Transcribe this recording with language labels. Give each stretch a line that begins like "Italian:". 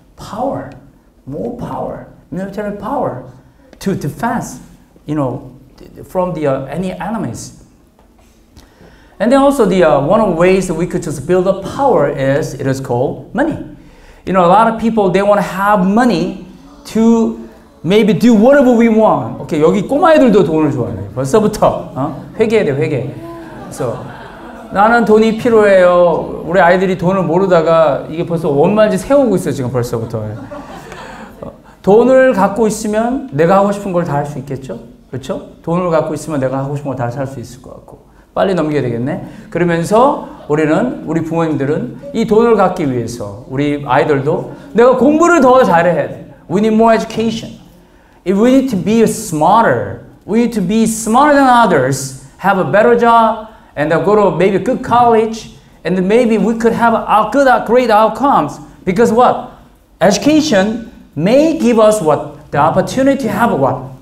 English: Power, more power, military power to defense, you know, from the any enemies. And then also one of the ways that we could just build up power is, it is called money. You know, a lot of people, they want to have money to maybe do whatever we want.
Korean: Okay, 여기 꼬마애들도 돈을 좋아해. 벌써부터. 회계해야 돼, 회계. So, 나는 돈이 필요해요. 우리 아이들이 돈을 모르다가 이게 벌써 원만지 세우고 있어요, 지금 벌써부터. 돈을 갖고 있으면 내가 하고 싶은 걸 다 할 수 있겠죠? 그렇죠? 돈을 갖고 있으면 내가 하고 싶은 걸 다 할 수 있을 것 같고. 빨리 넘겨야 되겠네. 그러면서 우리 부모님들은 이 돈을 갖기 위해서 우리 아이들도 내가 공부를 더 잘해야 돼.
English: We need more education. If we need to be smarter, we need to be smarter than others, have a better job, and go to maybe a good college, and maybe we could have great outcomes. Because what? Education may give us what? The opportunity to have what?